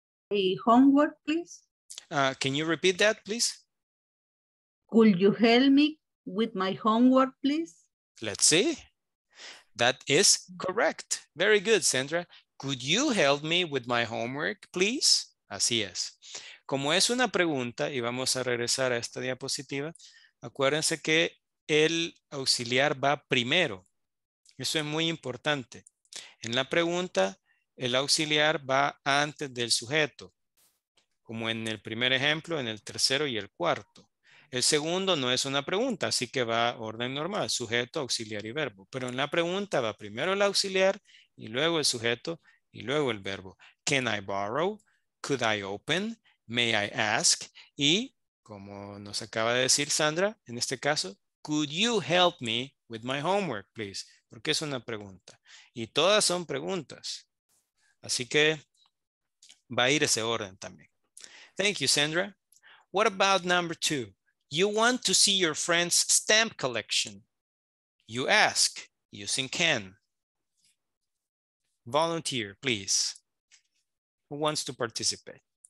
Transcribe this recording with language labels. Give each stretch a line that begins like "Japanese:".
English: Hey, homework, please. Can you repeat that, please? Could you help me with my homework, please? Let's see. That is correct. Very good, Sandra. Could you help me with my homework, please?
Spanish: Así es. Como es una pregunta, y vamos a regresar a esta diapositiva, acuérdense que el auxiliar va primero. Eso es muy importante. En la pregunta, el auxiliar va antes del sujeto, como en el primer ejemplo, en el tercero y el cuarto. El segundo no es una pregunta, así que va orden normal, sujeto, auxiliar y verbo. Pero en la pregunta va primero el auxiliar y luego el sujeto y luego el verbo.
English: Can I borrow? Could I open? May I ask?
Spanish: Y como nos acaba de decir Sandra, en este caso,
English: could you help me with my homework, please?
Spanish: Porque es una pregunta. Y todas son preguntas. Así que va a ir ese orden también.
English: Thank you, Sandra. What about number two? You want to see your friend's stamp collection. You ask using can. Volunteer, please. Who wants to participate?